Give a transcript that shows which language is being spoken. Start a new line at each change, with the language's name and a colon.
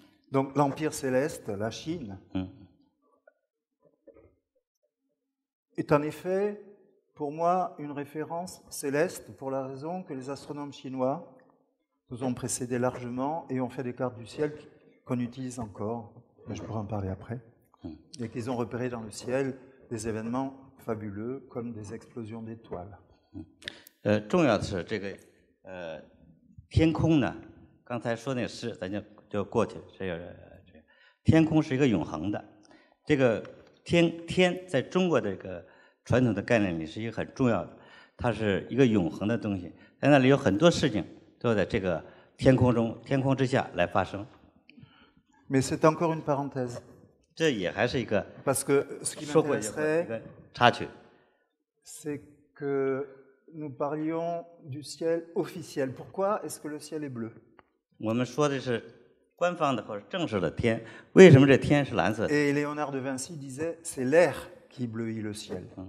French: Donc l'empire céleste, la Chine, est en effet pour moi une référence céleste pour la raison que les astronomes chinois nous ont précédé largement et ont fait des cartes du ciel qu'on utilise encore, mais je pourrais en parler après, et qu'ils ont repéré dans le ciel des événements fabuleux comme des explosions d'étoiles.
Chinese: 重要的是这个天空呢，刚才说那个诗，咱就过去。这天空是一个永恒的，这个天在中国的这个传统的概念里是一个很重要的，它是一个永恒的东西，在那里有很多事情。都在这个天空中，天空之下来发生。
French: Mais c'est encore une parenthèse.
Chinese: 这也还是一个。
French: Parce que ce qui m'intéresserait,
Chinese: 插曲。
French: C'est que nous parlions du ciel officiel. Pourquoi est-ce que le ciel est bleu?
Chinese: 我们说的是官方的或者正式的天，为什么这天是蓝色的
French: ？Et Léonard de Vinci disait, c'est l'air qui bleuit le ciel.